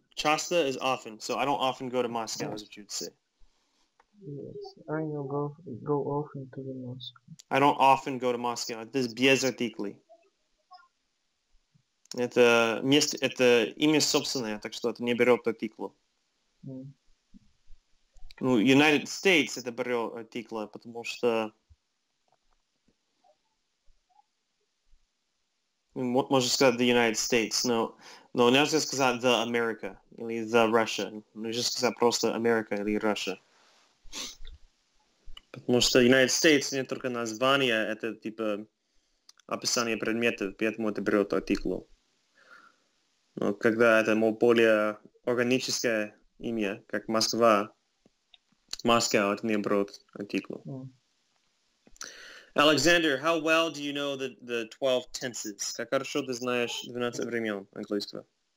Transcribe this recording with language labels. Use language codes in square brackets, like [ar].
[en] Часто is often, so I don't often go to Moscow, is what you'd say. Yes, I know go often to the mosque. I don't often go to Moscow. This [ru] без артикли. Это место, это имя собственное, так что это не берет артикла. Ну, United States это берет артикла, потому что можно сказать [en] the United States. [ru] Но нельзя сказать [en] the America [ru] или [en] the Russia. [ru] Нужно сказать просто America или Russia. Потому что United States не только название, это типа описание предметов, поэтому это берет артикл. Но когда это более органическое имя, как Москва, Moscow, это не берет артикл. [en] Alexander, how well do you know the 12 tenses? [ru] Как хорошо ты знаешь 12 времен английского?